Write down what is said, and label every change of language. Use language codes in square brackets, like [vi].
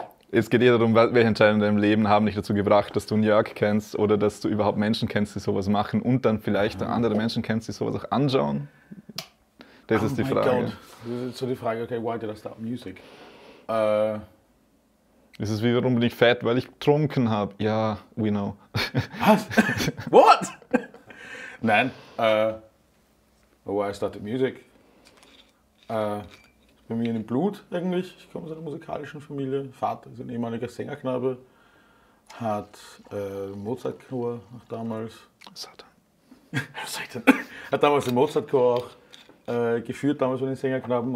[de] Es geht eher darum, welche Entscheidungen in deinem Leben haben dich dazu gebracht, dass du einen Jörg kennst oder dass du überhaupt Menschen kennst, die sowas machen und dann vielleicht andere Menschen kennst, die sowas auch anschauen. Das ist die Frage. Das ist so die Frage, okay, [en] why did I start music? [de] Ist es wie, warum bin ich fett, weil ich getrunken habe? [en] Ja, we know. [de] Was? [en] What? Nein, why I started music. [de] Bei mir in dem Blut eigentlich. Ich komme aus einer musikalischen Familie. Vater ist ein ehemaliger Sängerknabe. Hat Mozartchor auch damals. Satan. Hat damals den Mozartchor auch geführt, damals bei den Sängerknaben.